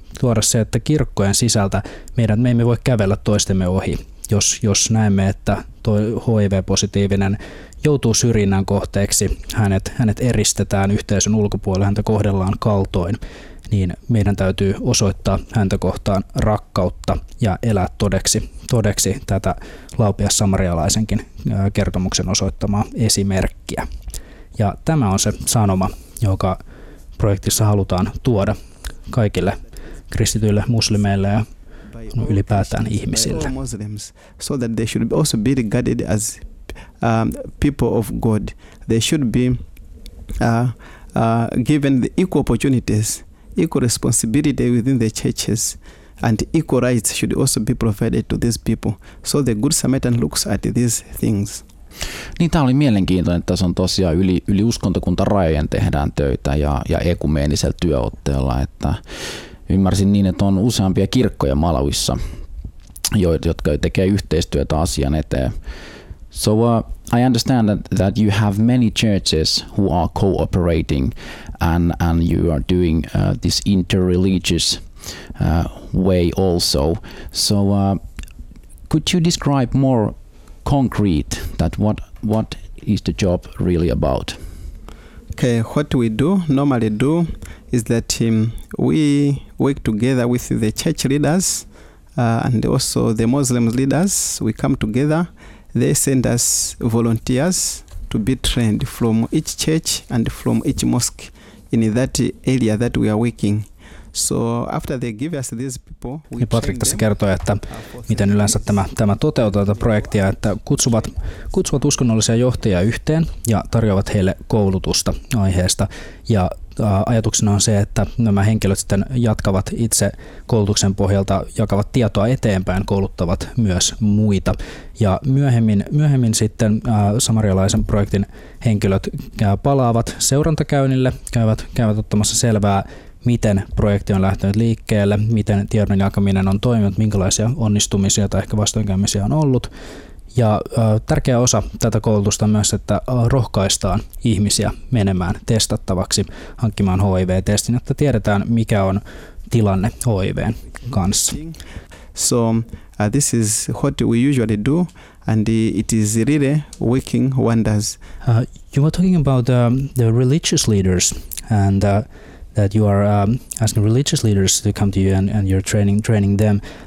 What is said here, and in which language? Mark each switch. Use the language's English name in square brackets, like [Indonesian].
[Finnish] Tuoda se, että kirkkojen sisältä me emme voi kävellä toistemme ohi, jos näemme, että toi HIV-positiivinen joutuu syrjinnän kohteeksi, hänet eristetään yhteisön ulkopuolelle, häntä kohdellaan kaltoin, niin meidän täytyy osoittaa häntä kohtaan rakkautta ja elää todeksi tätä Laupias samarialaisenkin kertomuksen osoittamaa esimerkkiä. Ja tämä on se sanoma, joka projektissa halutaan tuoda kaikille kristityille muslimeille ja ylipäätään ihmisille. [English] So that they should also be regarded as people of God. They should be given the equal opportunities, equal responsibility within the churches, and equal rights should also be provided to these people. So the Good Samaritan looks at these things. [Finnish] Niin, tämä oli mielenkiintoinen, että tässä on tosiaan yli uskontokuntarajojen tehdään töitä ja ekumeenisellä työotteella, että ymmärsin niin, että on useampia kirkkoja Malawissa, jotka tekee yhteistyötä asian eteen. [English] So I understand that you have many churches who are cooperating and you are doing this interreligious way also. So could you describe more concrete that what is the job really about? Okay, what we normally do is that we work together with the church leaders and also the Muslim leaders. We come together, they send us volunteers to be trained from each church and from each mosque in that area that we are working. So after they give us these people, we train [Finnish] Patrick tässä kertoi, että miten yleensä tämä toteutuu tätä projektia, että kutsuvat uskonnollisia johtajia yhteen ja tarjoavat heille koulutusta aiheesta. Ja ajatuksena on se, että nämä henkilöt sitten jatkavat itse koulutuksen pohjalta, jakavat tietoa eteenpäin, kouluttavat myös muita. Ja myöhemmin sitten samarialaisen projektin henkilöt palaavat seurantakäynnille, käyvät ottamassa selvää, miten projekti on lähtenyt liikkeelle, miten tiedon jakaminen on toiminut, minkälaisia onnistumisia tai ehkä vastoinkäymisiä on ollut. Ja tärkeä osa tätä koulutusta on myös, että rohkaistaan ihmisiä menemään testattavaksi, hankkimaan HIV-testin, jotta tiedetään, mikä on tilanne HIVn kanssa. [English] So this is what we usually do, and it is really working wonders. You were talking about the religious leaders and that you are asking religious leaders to come to you and you're training them.